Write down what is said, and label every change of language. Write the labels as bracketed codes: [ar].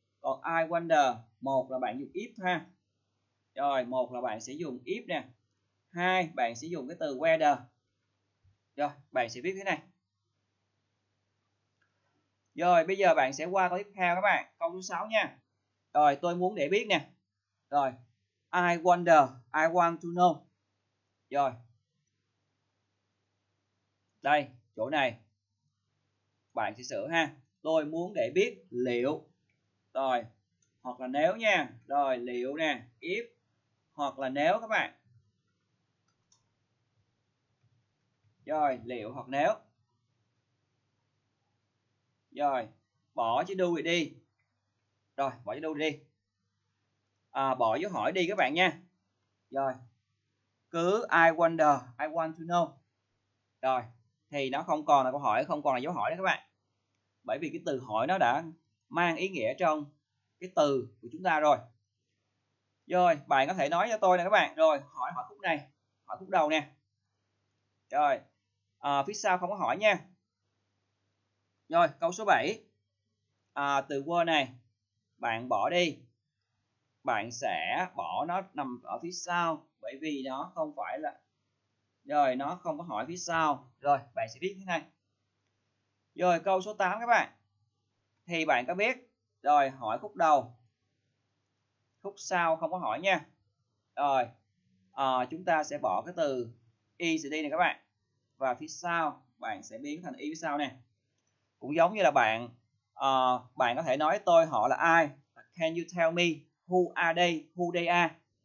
[vi] Còn [en] I wonder, [vi] một là bạn dùng if ha. Rồi, một là bạn sẽ dùng if nè. Hai, bạn sẽ dùng cái từ whether. Rồi, bạn sẽ viết thế này. Rồi, bây giờ bạn sẽ qua câu tiếp theo các bạn. Câu số 6 nha. Rồi, tôi muốn để biết nè. Rồi, [en] I wonder, I want to know. [vi] Rồi. Đây, chỗ này. Bạn sẽ sửa ha. Tôi muốn để biết liệu. Rồi, hoặc là nếu nha. Rồi, liệu nè, if. Hoặc là nếu các bạn. Rồi, liệu hoặc nếu. Rồi, bỏ chữ do đi. Rồi, bỏ chữ do đi. Bỏ dấu hỏi đi các bạn nha. Rồi, cứ [en] I wonder, I want to know. [vi] Rồi, thì nó không còn là câu hỏi, không còn là dấu hỏi đấy các bạn. Bởi vì cái từ hỏi nó đã mang ý nghĩa trong cái từ của chúng ta rồi. Rồi, bạn có thể nói cho tôi nè các bạn. Rồi, hỏi hỏi khúc này, hỏi khúc đầu nè. Rồi, phía sau không có hỏi nha. Rồi, câu số 7. Từ word này, bạn bỏ đi. Bạn sẽ bỏ nó nằm ở phía sau. Bởi vì nó không phải là... Rồi, nó không có hỏi phía sau. Rồi, bạn sẽ viết thế này. Rồi, câu số 8 các bạn. Thì bạn có biết. Rồi, hỏi khúc đầu. Khúc sau không có hỏi nha. Rồi, chúng ta sẽ bỏ cái từ ECD này các bạn. Và phía sau, bạn sẽ biến thành ý phía sau nè. Cũng giống như là bạn, bạn có thể nói tôi họ là ai. [en] Can you tell me who are they, who they are?